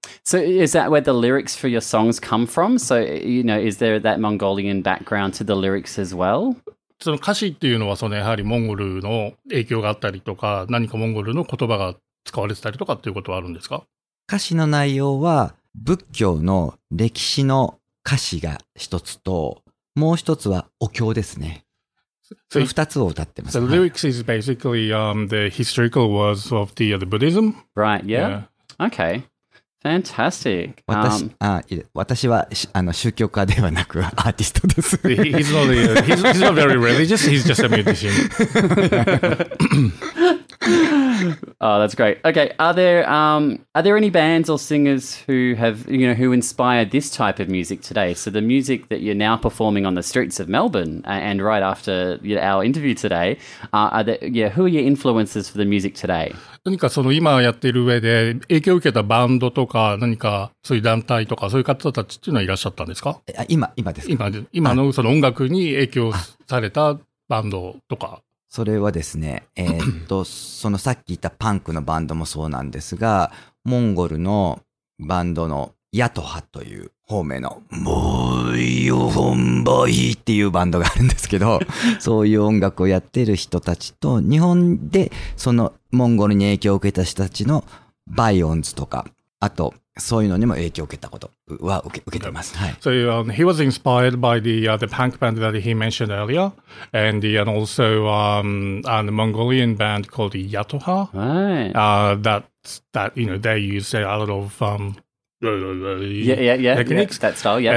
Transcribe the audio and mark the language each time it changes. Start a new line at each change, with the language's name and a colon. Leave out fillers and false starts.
English: So is that where the lyrics for your songs come from? So, you know, is there that Mongolian background to the lyrics as well?
Japanese: その歌詞っていうのはそのやはりモンゴルの影響があったりとか何かモンゴルの言葉が使われてたりとかっていうことはあるんですか？歌詞の内容は仏教の歴史の歌詞が一つともう一つはお経ですね。その二つを歌ってます。
English: The lyrics is basically the historical words of the Buddhism. Right, yeah. Okay. Fantastic.
Japanese: 私はあの宗教家ではなくアーティストです。
English: he's not very religious. He's just a musician. Oh, that's great. Okay, are there any bands or singers who have, you know, who inspired this type of music today? So the music that you're now performing on the streets of Melbourne and right after our interview today, who are your influences for the music today?
Japanese: 何かその今やっている上で影響を受けたバンドとか何かそういう団体とかそういう方たちっていうのはいらっしゃったんですか？今ですか？今のその音楽に影響されたバンドとか。それはですね、そのさっき言ったパンクのバンドもそうなんですが、モンゴルのバンドのヤトハという方面のモイオホンバイっていうバンドがあるんですけど、そういう音楽をやってる人たちと、日本でそのモンゴルに影響を受けた人たちのバイオンズとか、あとそういうのにも影響を受けたことは受けてます。はい。
English: So, he was inspired by the punk band that he mentioned earlier, and the Mongolian band called Yatoha. Right. That you know they use a lot of techniques, that style. Yeah.